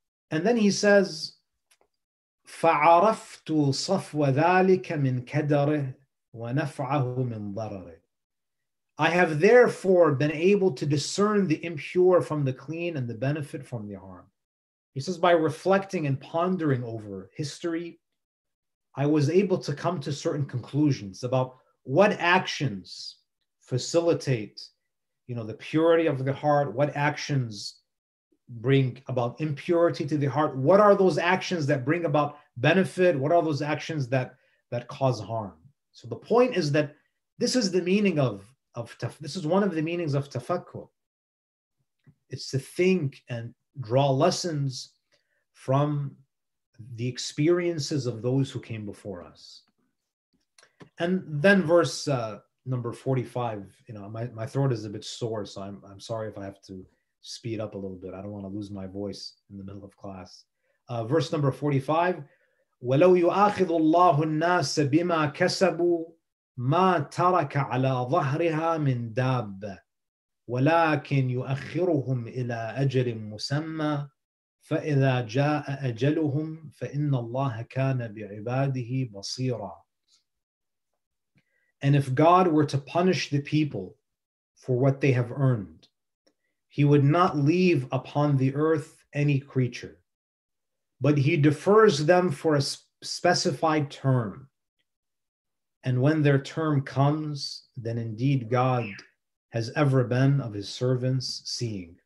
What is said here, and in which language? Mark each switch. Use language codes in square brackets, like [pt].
[en] And then he says, [ar] فَعَرَفْتُ صَفْوَ ذَٰلِكَ مِنْ كَدَرِهِ وَنَفْعَهُ مِنْ ضَرَرِهِ. [en] I have therefore been able to discern the impure from the clean and the benefit from the harm. He says, by reflecting and pondering over history, I was able to come to certain conclusions about what actions facilitate, the purity of the heart, what actions bring about impurity to the heart, what are those actions that bring about benefit, what are those actions that cause harm. So the point is that this is the meaning this is one of the meanings of tafakkur. It's to think and draw lessons from the experiences of those who came before us. And then verse number 45, my throat is a bit sore, so I'm sorry if I have to speed up a little bit. I don't want to lose my voice in the middle of class. Verse number 45, [ar] وَلَوْ يُؤَاخِذُ اللَّهُ النَّاسَ بِمَا كَسَبُوا مَا تَرَكَ عَلَىٰ ظَهْرِهَا مِنْ دَابَّ وَلَكِنْ يُؤَخِّرُهُمْ إِلَىٰ أَجَلٍ مُسَمَّى فَإِذَا جَاءَ أَجَلُهُمْ فَإِنَّ اللَّهَ كَانَ بِعِبَادِهِ بَصِيرًا. [en] And if God were to punish the people for what they have earned, he would not leave upon the earth any creature, but he defers them for a specified term. And when their term comes, then indeed God has ever been of his servants seeing.